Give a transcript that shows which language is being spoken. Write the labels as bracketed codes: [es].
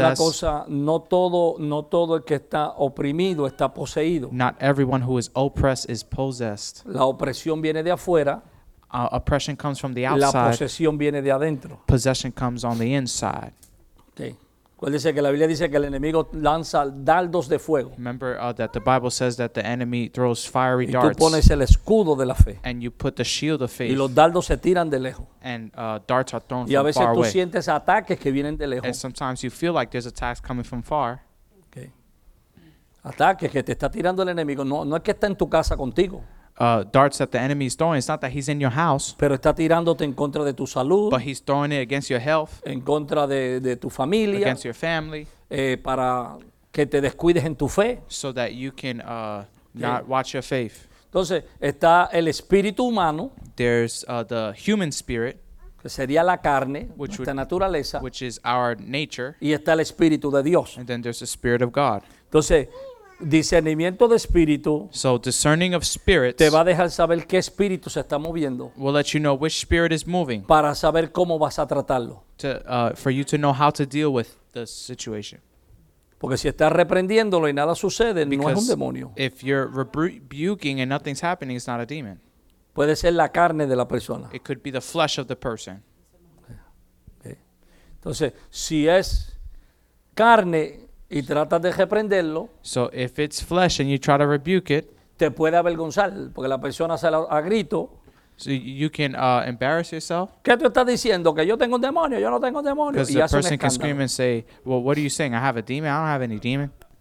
[es] Una cosa, no todo el que está oprimido está poseído. [en] Not everyone who is oppressed is possessed. [es] La opresión viene de afuera. [en] Oppression comes from the outside. [es] La posesión viene de adentro. [en] Possession comes on the inside. Okay. [es] Acuérdese que la Biblia dice que el enemigo lanza dardos de fuego. [en] Remember that the Bible says that the enemy throws fiery darts. [es] Y tú pones el escudo de la fe. [en] And you put the shield of faith. [es] Y los dardos se tiran de lejos. [en] And darts are thrown from away. [es] Y a veces tú sientes ataques que vienen de lejos. [en] And sometimes you feel like there's attacks coming from far. [es] Okay. Ataques que te está tirando el enemigo. No es que está en tu casa contigo. [en] Darts that the enemy is throwing. It's not that he's in your house. [es] Pero está tirándote en contra de tu salud. [en] But he's throwing it against your health. [es] En contra de tu familia. [en] Against your family. [es] Para que te descuides en tu fe. [en] So that you can not watch your faith. [es] Entonces está el espíritu humano. [en] There's the human spirit. [es] Que sería la carne, nuestra naturaleza. [en] Which is our nature. [es] Y está el espíritu de Dios. [en] And then there's the spirit of God. [es] Entonces, discernimiento de espíritu. [en] So discerning of spirits. [es] Te va a dejar saber qué espíritu se está moviendo. [en] Will let you know which spirit is moving. [es] Para saber cómo vas a tratarlo. [en] To, for you to know how to deal with the situation. [es] Porque si estás reprendiéndolo y nada sucede, [en] because [es] no es un demonio. [en] If you're rebuking and nothing's happening, it's not a demon. [es] Puede ser la carne de la persona. [en] It could be the flesh of the person. [es] Okay. Entonces, si es carne y tratas de reprenderlo, [en] so if it's flesh and you try to rebuke it, [es] te puede avergonzar porque la persona sale a grito. [en] So you can embarrass yourself. [es] ¿Qué tú estás diciendo? Que yo tengo un demonio. Yo no tengo un demonio. [en] Because the person can scream and say, well, what are you saying? I have a demon. I don't have any demon.